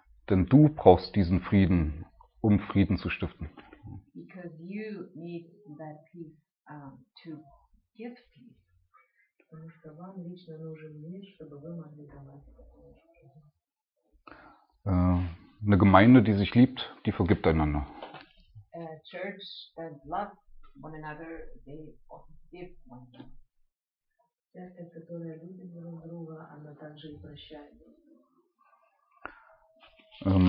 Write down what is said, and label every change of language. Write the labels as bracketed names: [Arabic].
[German] Denn du brauchst diesen Frieden, um Frieden zu stiften. [English] Because you need that peace to give peace. [Russian] Потому что вам лично нужен мир, чтобы вы могли давать. [German] Eine Gemeinde, die sich liebt, die vergibt einander. [English] A church that loves one another, they also give one another.